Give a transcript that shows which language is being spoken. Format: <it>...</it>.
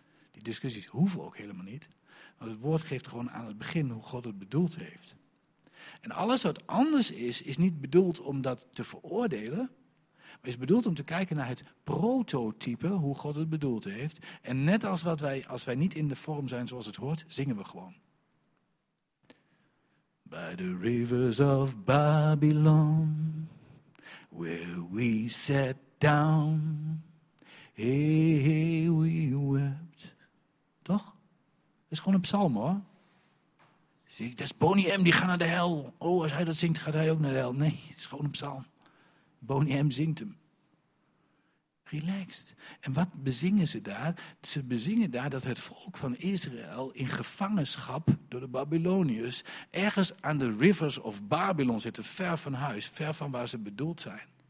<nl>Die discussies hoeven ook helemaal niet. Want het woord geeft gewoon aan het begin hoe God het bedoeld heeft. En alles wat anders is, is niet bedoeld om dat te veroordelen. Maar is bedoeld om te kijken naar het prototype, hoe God het bedoeld heeft. En net als wat wij, als wij niet in de vorm zijn zoals het hoort, zingen we gewoon.</nl> <en>By the rivers of Babylon, where we sat down, hey, we wept.</en> <nl>Toch? Dat is gewoon een psalm, hoor. Zie, dat is Boney M, die gaat naar de hel. Oh, als hij dat zingt, gaat hij ook naar de hel. Nee, het is gewoon een psalm. Boney M zingt hem. Relaxed. En wat bezingen ze daar? Ze bezingen daar dat het volk van Israël in gevangenschap door de Babyloniërs ergens aan de rivers of Babylon zitten, ver van huis, ver van waar ze bedoeld zijn.</nl>